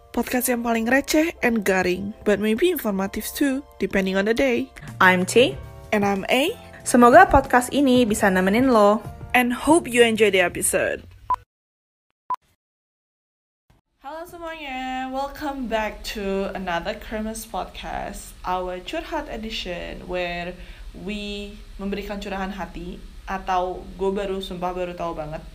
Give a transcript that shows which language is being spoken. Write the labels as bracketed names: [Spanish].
[English] Podcast [Indonesian] yang paling receh [English] and garing, but maybe informative too, depending on the day. I'm T. And I'm A. [Indonesian] Semoga podcast ini bisa nemenin lo. [English] And hope you enjoy the episode. [Indonesian] Halo semuanya, [English] welcome back to another Kremes Podcast, our curhat edition where we [Indonesian] memberikan curahan hati, atau gue baru sumpah baru tahu banget.